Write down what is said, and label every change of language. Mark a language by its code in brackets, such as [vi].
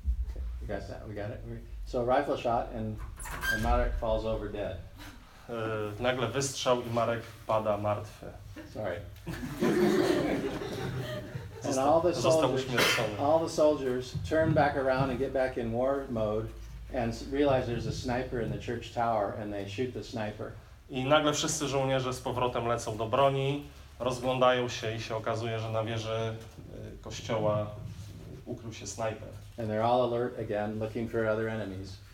[en] Okay, you got that, we got it. So a rifle shot and Marek falls over dead. [pl] Nagle wystrzał i Marek pada martwy. [en] Sorry. And all the soldiers, turn back around and get back in war mode and realize there's a sniper in the church tower and they shoot the sniper. [pl] I nagle wszyscy żołnierze z powrotem lecą do broni, rozglądają się i się okazuje, że na wieży kościoła ukrył się snajper. [en] And they're all alert again, looking for other enemies.